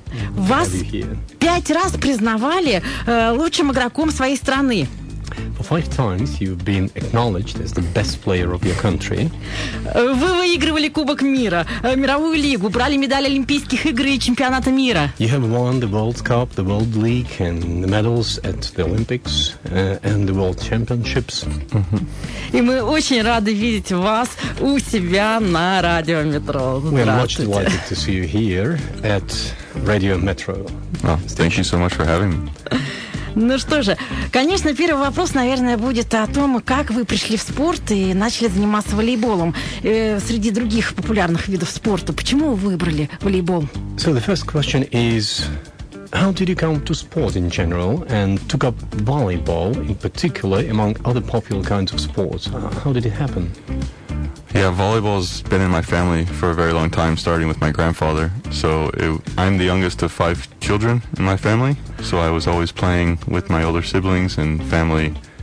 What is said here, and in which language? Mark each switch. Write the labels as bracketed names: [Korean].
[Russian] Вас пять раз признавали лучшим игроком своей страны. [English] Five times you've been acknowledged as the best player of your country. [Russian] Вы выигрывали Кубок мира, мировую лигу, брали медали Олимпийских игр и чемпионата мира. [English] You have won the World Cup, the World League, and the medals at the Olympics and the World Championships. [Russian] И мы очень рады видеть вас у себя на радио Метро. [English] We are much delighted to see you here at Radio Metro. Thank you so much for having me. [Russian] Ну что же, конечно, первый вопрос, наверное, будет о том, как вы пришли в спорт и начали заниматься волейболом среди других популярных видов спорта. Почему вы выбрали волейбол? [English] So the first question is, how did you come to sport in general and took up volleyball in particular among other popular kinds of sports? How did it happen? Yeah, volleyball's been in my family for a very long time, starting with my grandfather. So I'm the youngest of five children in my family, so I was always playing with my older siblings and family.